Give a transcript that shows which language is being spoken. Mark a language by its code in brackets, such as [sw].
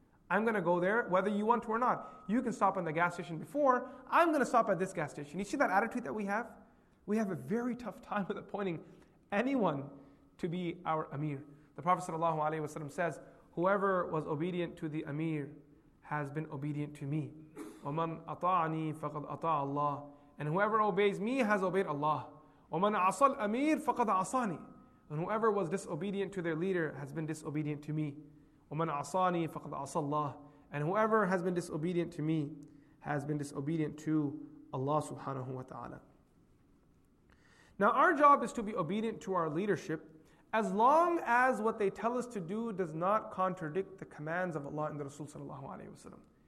[en] I'm going to go there whether you want to or not. You can stop in the gas station before. I'm going to stop at this gas station. You see that attitude that we have? We have a very tough time with appointing anyone to be our Amir. The Prophet ﷺ says, whoever was obedient to the Amir has been obedient to me. [ar] وَمَنْ أَطَاعَنِي فَقَدْ أَطَاعَ اللَّهِ. [en] And whoever obeys me has obeyed Allah. [ar] وَمَنْ عَصَى الْأَمِيرِ فَقَدْ عَصَانِي. [en] And whoever was disobedient to their leader has been disobedient to me. [ar] وَمَنْ عَصَانِي فَقَدْ عَصَى اللَّهِ. [en] And whoever has been disobedient to me has been disobedient to Allah subhanahu wa ta'ala. Now our job is to be obedient to our leadership as long as what they tell us to do does not contradict the commands of Allah and the Rasul sallallahu alayhi wa sallam.